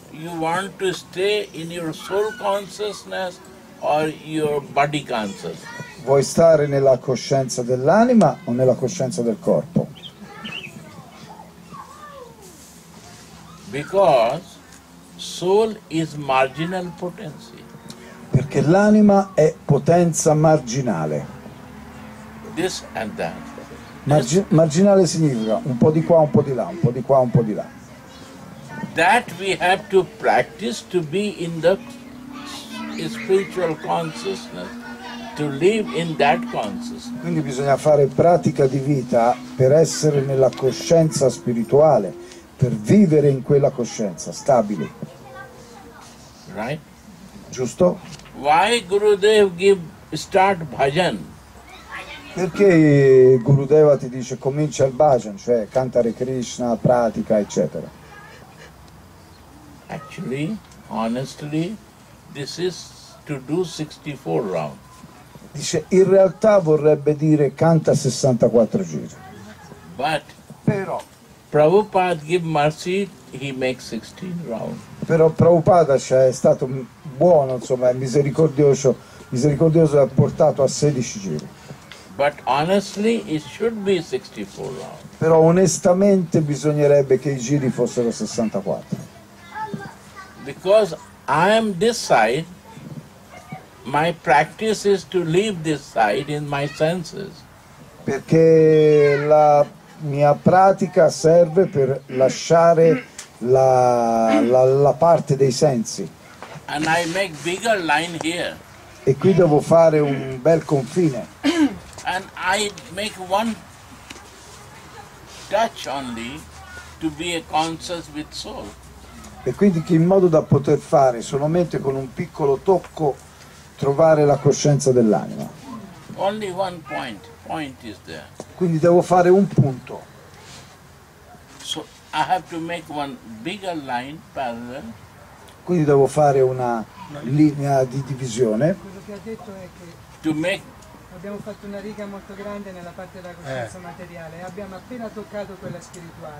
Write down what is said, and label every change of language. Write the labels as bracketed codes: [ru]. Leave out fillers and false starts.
[en] You want to stay in your soul consciousness or your body consciousness? [it] Vuoi stare nella coscienza dell'anima o nella coscienza del corpo? [en] Because soul is marginal potency. [it] Perché l'anima è potenza marginale. [en] This and that. [it] Marginale significa un po' di qua, un po' di là, un po' di qua, un po' di là. [en] That we have to practice to be in the spiritual consciousness, to live in that consciousness. [it] Quindi bisogna fare pratica di vita per essere nella coscienza spirituale, per vivere in quella coscienza stabile. [en] Right? [it] Giusto? [en] Why Gurudev give start bhajan? [it] Perché Gurudeva ti dice comincia il bhajan, cioè cantare Krishna, pratica, eccetera. [en] Actually, honestly, this is to do 64 rounds. [it] Dice, in realtà vorrebbe dire canta 64 giri. [en] But, [it] però, [en] Prabhupada give mercy, he makes 16 rounds. [it] Però Prabhupada è stato buono, insomma, è misericordioso, misericordioso e ha portato a 16 giri. [en] But honestly, it should be 64 rounds. [it] Però onestamente bisognerebbe che i giri fossero 64. [en] Because I am this side, my practice is to leave this side in my senses. [it] Perché la mia pratica serve per lasciare la parte dei sensi. [en] And I make bigger line here. [it] E qui devo fare un bel confine. [en] And I make one touch only to be a conscious with soul. [it] E quindi che in modo da poter fare solamente con un piccolo tocco trovare la coscienza dell'anima. [en] Only one point is there. [it] Quindi devo fare un punto. [en] So I have to make one bigger line parallel. Quindi devo fare una linea di divisione. [it] Quello che ha detto è che [en] to make... [it] abbiamo fatto una riga molto grande nella parte della coscienza materiale e abbiamo appena toccato quella spirituale.